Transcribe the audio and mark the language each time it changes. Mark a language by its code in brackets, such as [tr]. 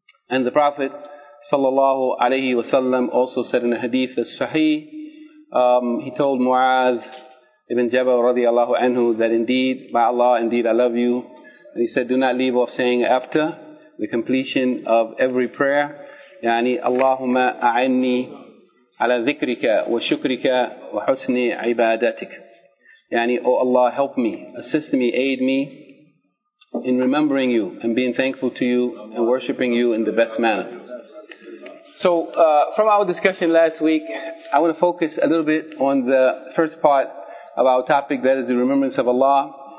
[en] And the Prophet sallallahu alayhi wa sallam also said in a hadith as sahih, he told Mu'adh ibn Jabal radiallahu anhu that indeed, by Allah, indeed I love you. And he said, do not leave off saying after the completion of every prayer. [ar] يعني اللهم أعني على ذكرك وشكرك وحسن عبادتك. يعني, [en] oh Allah, help me, assist me, aid me in remembering you and being thankful to you and worshipping you in the best manner. So from our discussion last week, I want to focus a little bit on the first part of our topic, that is the remembrance of Allah.